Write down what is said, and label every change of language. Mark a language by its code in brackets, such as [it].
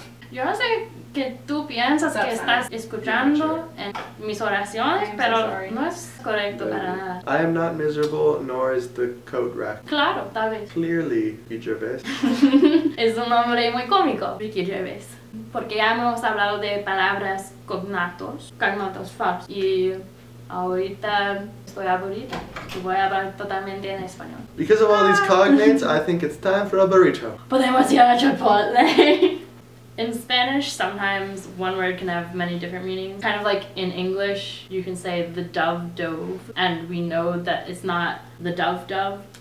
[es] Yo no sé que tú piensas que estás escuchando en mis oraciones, pero no es correcto para nada. [en] I am not miserable, nor is the coat rack. [es] Claro, tal vez. [en] Clearly, Ricky Gervais. [es] Es un nombre muy cómico, Ricky Gervais. Porque ya hemos hablado de palabras cognatos falsos. Y ahorita estoy aburrida. Voy a hablar totalmente en español. [en] Because of all these cognates, I think it's time for a burrito. [es] Podemos ir a Chipotle. [en] In Spanish, sometimes one word can have many different meanings. Kind of like in English, you can say the dove dove, and we know that it's not the dove dove,